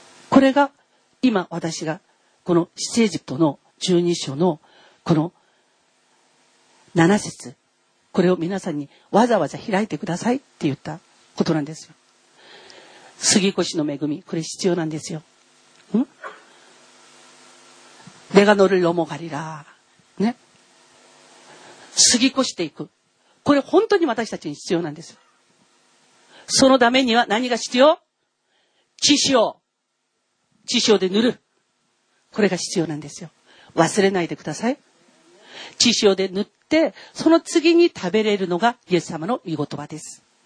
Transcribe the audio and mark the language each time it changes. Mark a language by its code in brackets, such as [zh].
[ja] これが、今、私が、この、出エジプトの12章の、この、7節。これを皆さんに、わざわざ開いてくださいって言ったことなんですよ。過ぎ越しの恵み、これ必要なんですよ。ん？ [ko] 내가너를넘어가리라네 [ja] 過ぎ越していく。これ本当に私たちに必要なんです。そのためには何が必要？血潮。血潮で塗る。これが必要なんですよ。忘れないでください。血潮で塗って、その次に食べれるのがイエス様の御言葉です。